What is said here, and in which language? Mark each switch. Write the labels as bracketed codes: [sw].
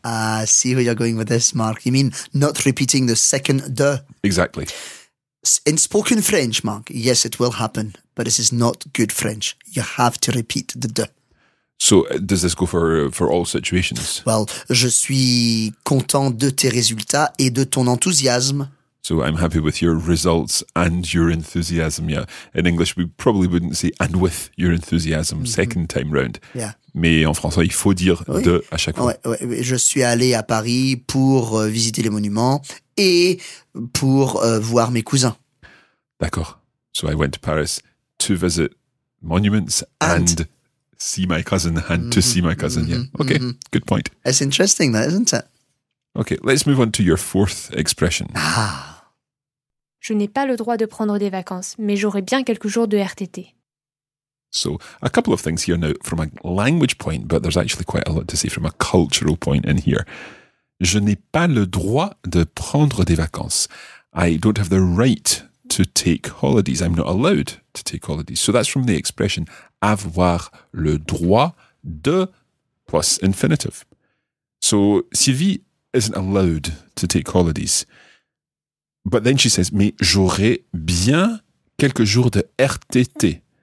[en] I see where you're going with this, Mark. You mean not repeating the second de. Exactly. In spoken French, Mark, yes, it will happen, but this is not good French. You have to repeat the de. So does this go for all situations? [fr] Well, je suis content de tes résultats et de ton enthousiasme. [en] So I'm happy with your results and your enthusiasm. Yeah, in English, we probably wouldn't say and with your enthusiasm mm-hmm. second time round. Yeah. [fr] Mais en français, il faut dire oui. de à chaque fois. Ouais, ouais. Je suis allé à Paris pour visiter les monuments et pour voir mes cousins. D'accord. [en] So I went to Paris to visit monuments and see my cousin and mm-hmm. to see my cousin. Mm-hmm. Yeah. Okay, mm-hmm. good point. It's interesting, that, isn't it? Okay, let's move on to your fourth expression. Ah. [fr] Je n'ai pas le droit de prendre des vacances, mais j'aurai bien quelques jours de RTT. [en] So, a couple of things here now from a language point, but there's actually quite a lot to say from a cultural point in here. [fr] Je n'ai pas le droit de prendre des vacances. [en] I don't have the right to take holidays. I'm not allowed to take holidays. So that's from the expression, [fr] avoir le droit de [en] plus infinitive. So Sylvie isn't allowed to take holidays. But then she says, [fr] mais j'aurai bien quelques jours de RTT.